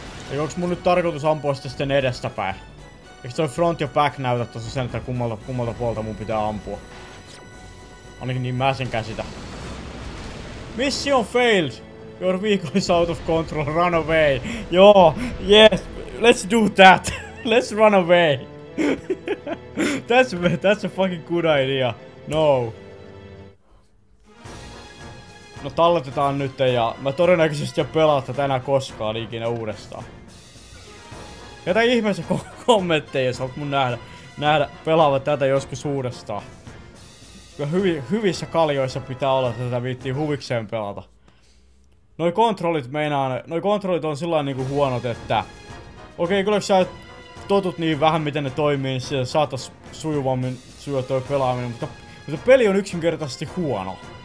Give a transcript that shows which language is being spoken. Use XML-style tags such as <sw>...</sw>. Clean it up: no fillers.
<fi>Eikö onks mun nyt tarkoitus ampua sitä sitten edestäpäin? Eikö toi front ja back näytä tossa sen, että kummalta puolta mun pitää ampua? Ainakin niin mä sen käsitän.</fi> <en>Mission failed! Your vehicle is out of control, run away! Joo, yes, let's do that! Let's run away! That's a fucking good idea. No.</en> <fi>No talletetaan nyt ja mä todennäköisesti en pelaa tätä enää koskaan ikinä uudestaan. Jätä ihmeessä kommentteja, jos haluat mun nähdä pelaava tätä joskus uudestaan. Hyvissä kaljoissa pitää olla, että tätä viittiin huvikseen pelata. Noi kontrollit on sillain niinku huonot, että okei, kyllä sä totut niin vähän, miten ne toimii, niin saatais sujuvammin sujua toi pelaaminen, mutta peli on yksinkertaisesti huono.</fi>